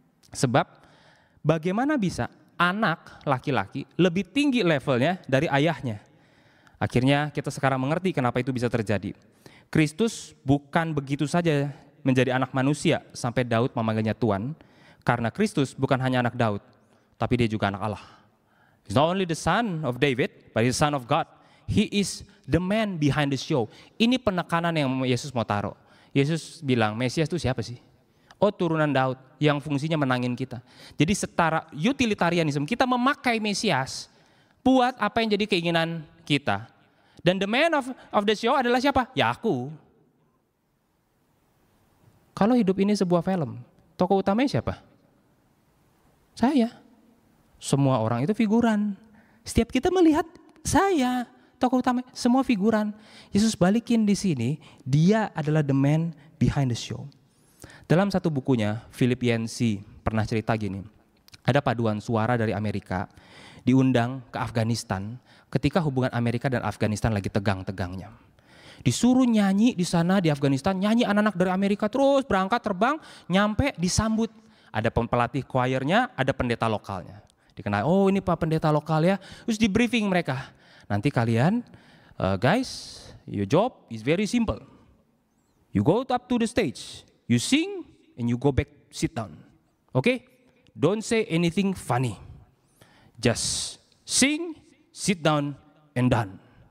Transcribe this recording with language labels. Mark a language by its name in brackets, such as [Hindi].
[Indonesian] Sebab bagaimana bisa anak laki-laki lebih tinggi levelnya dari ayahnya. Akhirnya kita sekarang mengerti kenapa itu bisa terjadi. Kristus bukan begitu saja menjadi anak manusia sampai Daud memanggilnya Tuan, karena Kristus bukan hanya anak Daud, tapi dia juga anak Allah. [English] He's not only the son of David, but he's the son of God. He is the man behind the show. [Indonesian] Ini penekanan yang Yesus mau taruh. Yesus bilang, Mesias itu siapa sih? Oh, turunan Daud yang fungsinya menangin kita. Jadi setara utilitarianisme, kita memakai Mesias buat apa yang jadi keinginan kita. Dan [English] the man of the show [Indonesian] adalah siapa? Ya aku. Kalau hidup ini sebuah film, tokoh utamanya siapa? Saya. Semua orang itu figuran. Setiap kita melihat saya, tokoh utamanya, semua figuran. Yesus balikin di sini, dia adalah [English] the man behind the show. [Indonesian] Dalam satu bukunya, Philip Yancey pernah cerita gini. Ada paduan suara dari Amerika diundang ke Afghanistan ketika hubungan Amerika dan Afghanistan lagi tegang-tegangnya. Disuruh nyanyi di sana di Afghanistan, nyanyi anak-anak dari Amerika terus berangkat terbang, nyampe disambut. Ada pelatih choir-nya, ada pendeta lokalnya. Dikenal, oh ini Pak pendeta lokal ya. Terus di briefing mereka. Nanti kalian, [English] guys, your job is very simple. You go up to the stage, you sing, and you go back sit down. Okay? Don't say anything funny. Just sing, sit down, and done.